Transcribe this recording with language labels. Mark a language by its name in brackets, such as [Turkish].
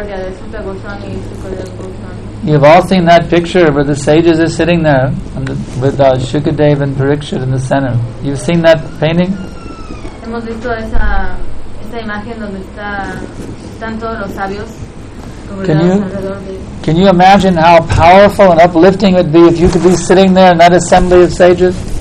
[English] You have all seen that picture where the sages are sitting there with Shukadeva and Parikshit in the center. You've seen that painting? [Spanish] Hemos visto esa imagen donde están todos los sabios [English] Can you imagine how powerful and uplifting it would be if you could be sitting there in that assembly of sages?